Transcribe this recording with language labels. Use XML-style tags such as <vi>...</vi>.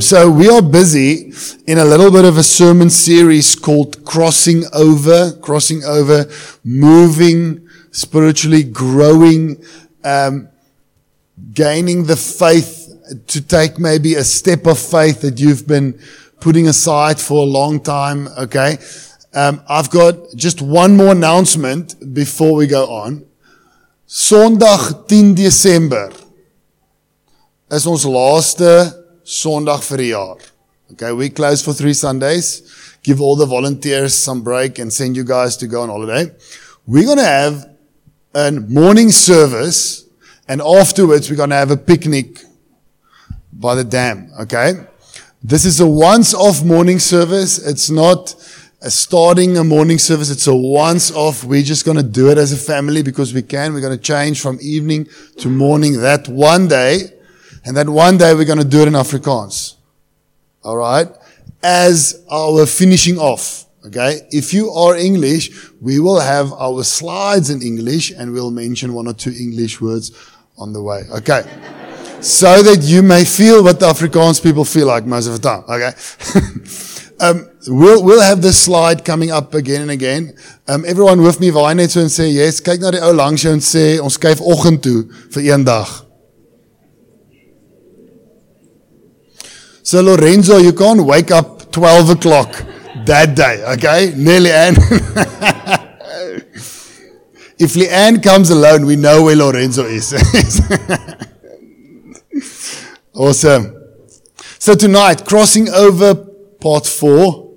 <en>So we are busy in a little bit of a sermon series called Crossing Over, moving spiritually, growing, gaining the faith to take maybe a step of faith that you've been putting aside for a long time. Okay. I've got just one more announcement before we go on.</en> <af>Sondag 10 December. Is ons laaste Sondag vir die jaar.</af> <en>Okay, we close for 3 Sundays. Give all the volunteers some break and send you guys to go on holiday. We're going to have a morning service and afterwards we're going to have a picnic by the dam, okay? This is a once-off morning service. It's not a starting a morning service. It's a once-off. We're just going to do it as a family because we can. We're going to change from evening to morning that one day. And that one day we're going to do it in Afrikaans. All right? As our finishing off. Okay? If you are English, we will have our slides in English and we'll mention one or two English words on the way. Okay? So that you may feel what the Afrikaans people feel like most of the time. Okay? we'll have this slide coming up again and again. Everyone with me,</en> <af>waai net so</af> <en>and say yes.</en> <af>Kijk naar die ou langs jou</af> <en>and say,</en> <af>ons skuif oggend toe vir een dag.</af> <en>So Lorenzo, you can't wake up 12 o'clock that day, okay? Near Leanne. If Leanne comes alone, we know where Lorenzo is. Awesome. So tonight, Crossing Over Part 4.</en>